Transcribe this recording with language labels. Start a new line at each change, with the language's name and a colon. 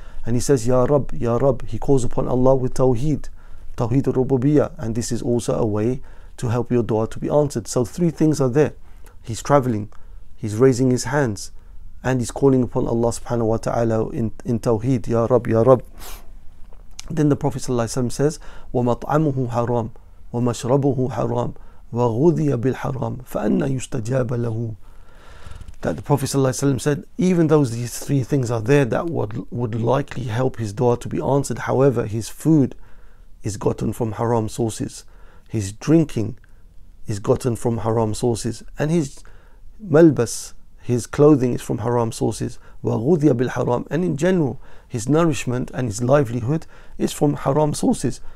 English: And he says,
Arabic: يَا رَبْ يَا رَبْ,
English: he calls upon Allah with tawheed, tawheed al-rububiyyah, and this is also a way to help your dua to be answered. So three things are there. He's traveling, he's raising his hands, and he's calling upon Allah subhanahu wa ta'ala in tawheed,
Arabic: يَا رَبْ يَا رَبْ.
English: Then the Prophet ﷺ says,
Arabic: وَمَطْعَمُهُ حَرَامٌ وَمَشْرَبُهُ حَرَامٌ وَغُذِيَ بِالْحَرَامٌ فَأَنَّ يُسْتَجَابَ لَهُ.
English: That the Prophet ﷺ said, even though these three things are there that would likely help his dua to be answered, however, his food is gotten from haram sources, his drinking is gotten from haram sources, and his malbas, his clothing, is from haram sources,
Arabic: وَغُذِيَ بِالْحَرَامِ,
English: and in general, his nourishment and his livelihood is from haram sources.